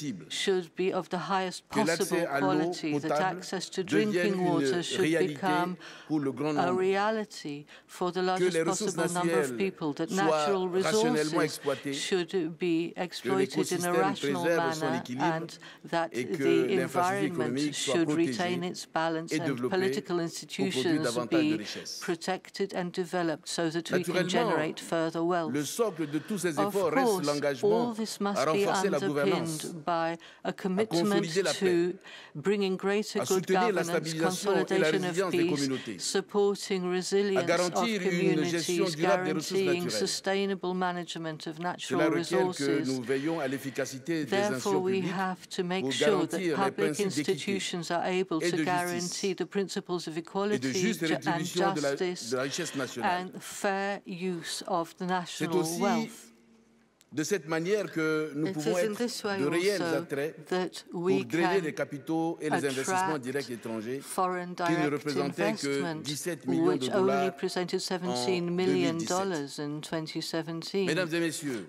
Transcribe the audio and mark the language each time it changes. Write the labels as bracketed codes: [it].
[en] should be of the highest possible quality, that access to drinking water should become a reality for the largest possible number of people, that natural resources should be exploited in a rational manner, and that the environment should retain its balance and political institutions be protected and developed so that we can generate further wealth. [fr] Le socle de tous ces efforts reste l'engagement à renforcer la gouvernance, [en] by a commitment [fr] à consolider la paix, [en] to bringing greater good governance, consolidation of peace, supporting resilience of communities, guaranteeing sustainable management of natural resources. Therefore, we have to make sure that public institutions are able to guarantee the principles of equality and justice and fair use of the national wealth. [fr] De cette manière que nous pouvons être de réels attraits pour drainer les capitaux et les investissements directs étrangers qui ne représentaient que 17 millions de dollars en 2017. Mesdames et messieurs,